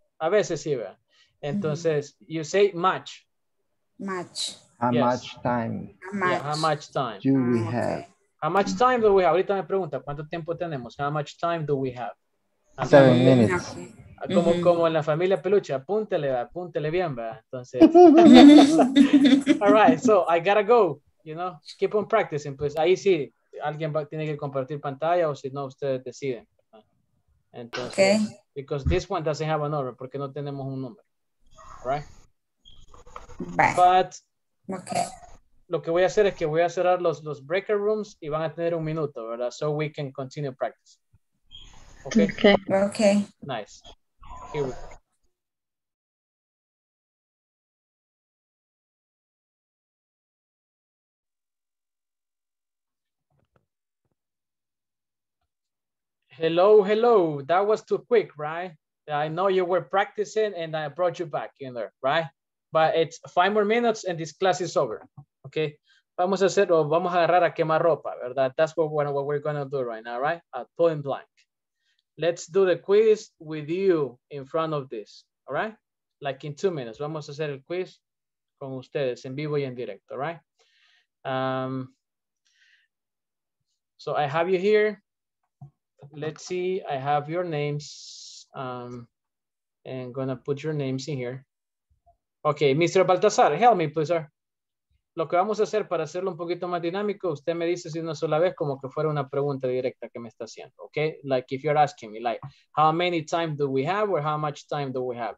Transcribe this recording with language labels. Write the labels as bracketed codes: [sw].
[es] A veces sí, ¿verdad? Entonces, mm-hmm. [en] you say much. Much. How yes. much time? How much time? Do we have? How much time do we have? [es] Ahorita me pregunta, ¿cuánto tiempo tenemos? [en] How much time do we have? Seven minutes. [es] Okay. Como, mm-hmm. como en la familia peluche, apúntele bien, ¿verdad? Entonces. [en] All right, so I gotta go, you know, keep on practicing. [es] Pues ahí sí, alguien va, tiene que compartir pantalla o si no, ustedes deciden. [en] Entonces, okay. Because this one doesn't have a number, [es] porque no tenemos un número. [en] Right. Bye. But okay. [es] Lo que voy a hacer es que voy a cerrar los breaker rooms y van a tener un minuto, ¿verdad? [en] So we can continue practice. Okay. Nice. Here we go. Hello. That was too quick, right? I know you were practicing and I brought you back in there, right? But it's 5 more minutes and this class is over, okay? [es] Vamos a hacer, o vamos a agarrar a quemar ropa, ¿verdad? [en] That's what we're gonna do right now, right? Point blank. Let's do the quiz with you in front of this, all right? Like in 2 minutes, [es] vamos a hacer el quiz con ustedes en vivo y en directo, [en] all right? So I have you here. Let's see, I have your names. And gonna put your names in here. Okay, Mr. Baltazar, help me, please, sir. [es] Lo que vamos a hacer para hacerlo un poquito más dinámico, usted me dice si una sola vez como que fuera una pregunta directa que me está haciendo, okay? [en] Like if you're asking me, like, how many time do we have or how much time do we have?